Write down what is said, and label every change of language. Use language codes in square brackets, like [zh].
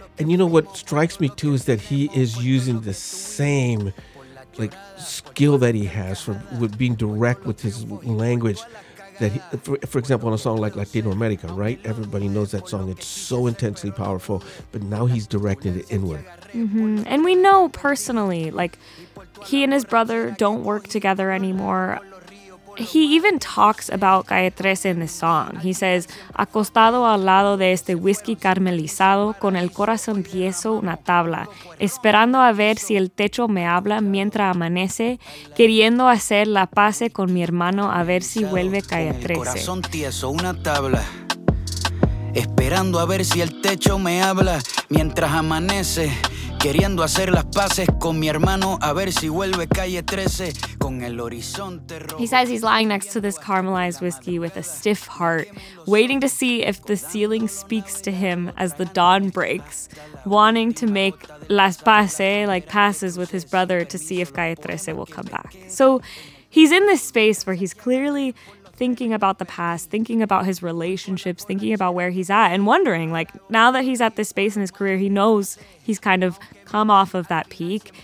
[en] And you know what strikes me, too, is that he is using the same like skill that he has with being direct with his language, that he, for example, on a song like Latino America, right? Everybody knows that song. It's so intensely powerful, but now he's directing it inward. Mm-hmm. And we know personally, like, he and his brother don't work together anymore. He even talks about Calle 13 in this song. He says, [es] acostado al lado de este whisky caramelizado, con el corazón tieso una tabla, esperando a ver si el techo me habla mientras amanece, queriendo hacer la pase con mi hermano a ver si vuelve Calle 13. Con el corazón tieso una tabla, esperando a ver si el techo me habla mientras amanece, queriendo hacer las paces con mi hermano a ver si vuelve Calle 13 con el horizonte rojo. [en] He says he's lying next to this caramelized whiskey with a stiff heart, waiting to see if the ceiling speaks to him as the dawn breaks, wanting to make [es] las paces, [en] like passes with his brother, to see if Calle 13 will come back. So he's in this space where he's clearly thinking about the past, thinking about his relationships, thinking about where he's at, and wondering, like, now that he's at this space in his career, he knows he's kind of come off of that peak.